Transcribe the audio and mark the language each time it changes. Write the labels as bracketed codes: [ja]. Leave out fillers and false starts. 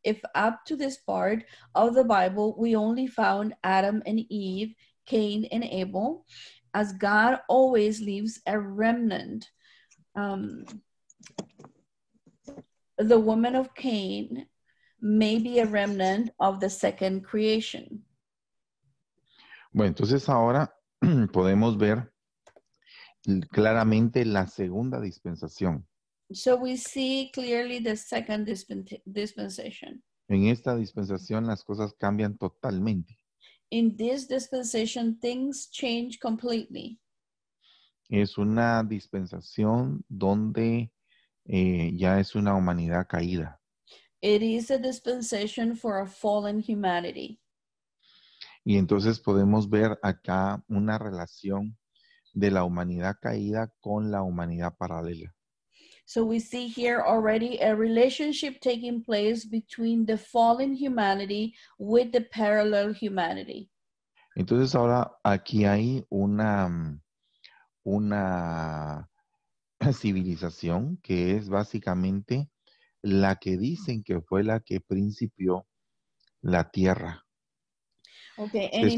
[en] If up to this part of the Bible, we only found Adam and Eve, Cain and Abel, as God always leaves a remnant. The woman of Cain may be a remnant of the second creation. [es] Bueno, entonces ahora podemos ver claramente la segunda dispensación. [en] So we see clearly the second dispensation. [es] En esta dispensación las cosas cambian totalmente. [en] In this dispensation, things change completely. [es] Es una dispensación donde ya es una humanidad caída. [en] It is a dispensation for a fallen humanity. [es] Y entonces podemos ver acá una relación de la humanidad caída con la humanidad paralela. [en] So we see here already a relationship taking place between the fallen humanity with the parallel humanity. [es] Entonces ahora aquí hay una civilización que es básicamente la que dicen que fue la que principió la tierra. Okay,